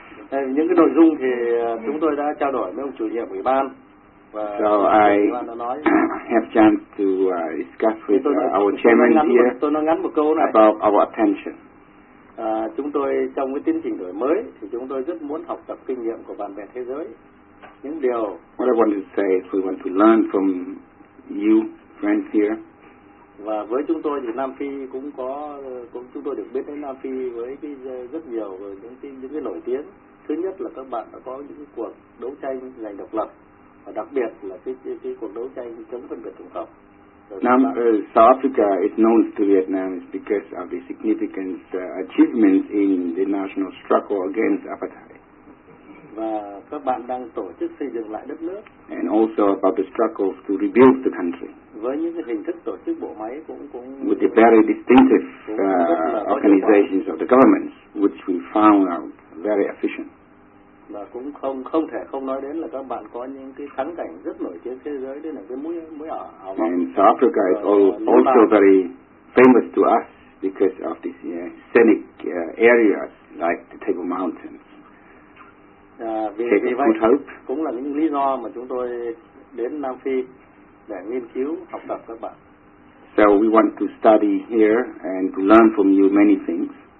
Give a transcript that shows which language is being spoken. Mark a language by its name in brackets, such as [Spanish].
[Vietnamese] Những cái nội dung thì chúng tôi đã trao đổi với ông chủ nhiệm ủy ban. [English] So I have chance to discuss with our chairman here about our attention. [Vietnamese] Chúng tôi trong cái tiến trình đổi mới thì chúng tôi rất muốn học tập kinh nghiệm của bạn bè thế giới. Những điều [English] what I want to say is we want to learn from you friends here. [Vietnamese] Và với chúng tôi thì Nam Phi cũng chúng tôi được biết đến Nam Phi với cái rất nhiều những cái nổi tiếng. Thứ nhất là các bạn đã có những cuộc đấu tranh giành độc lập và đặc biệt là cái cuộc đấu tranh chống phân biệt chủng tộc. [English] South Africa is known to Vietnam because of the significant achievements in the national struggle against apartheid. [Vietnamese] Và các bạn đang tổ chức xây dựng lại đất nước. [English] And also about the struggles to rebuild the country. [Vietnamese] Với những cái hình thức tổ chức bộ máy cũng [English] with the very distinctive organizations of the governments, which we found out very efficient. [Vietnamese] Và cũng không thể không nói đến là các bạn có những cái thắng cảnh rất nổi tiếng thế giới, đây là cái mũi ở Hào Bắc. [English] And South Africa is also very famous to us because of the scenic areas like the Table Mountains. [Vietnamese] Vì vậy cũng là những lý do mà chúng tôi đến Nam Phi để nghiên cứu học tập các bạn. [English] So we want to study here and to learn from you many things.